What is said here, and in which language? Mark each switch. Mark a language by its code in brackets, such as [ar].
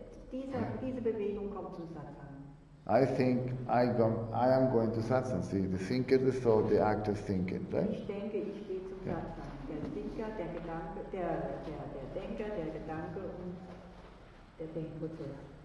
[de] Diese Bewegung kommt zu Satsang. [en] I think I am going to Satsang. See, the thinker, the thought, the act of thinking, right? [de] Ich denke, ich gehe zum Satsang. Der Thinker, der Gedanke, der Denker, der Gedanke und der Denkprozess.